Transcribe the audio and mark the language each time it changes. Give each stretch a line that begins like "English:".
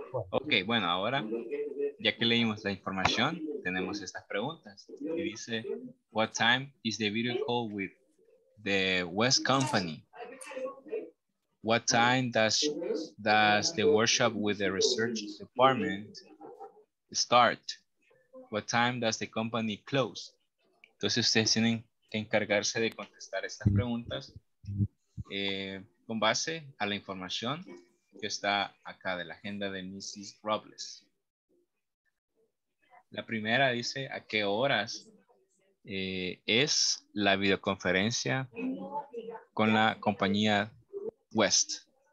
Spanish: Ok, bueno, ahora ya que leímos la información, tenemos estas preguntas. Y dice,
English: what time is the video call with the West Company? What time does the workshop with the research department start? What time does the company close?
Spanish: Entonces ustedes tienen que encargarse de contestar estas preguntas con base a la información que está acá de la agenda de Mrs. Robles. La primera dice, ¿a qué horas es la videoconferencia con la compañía West?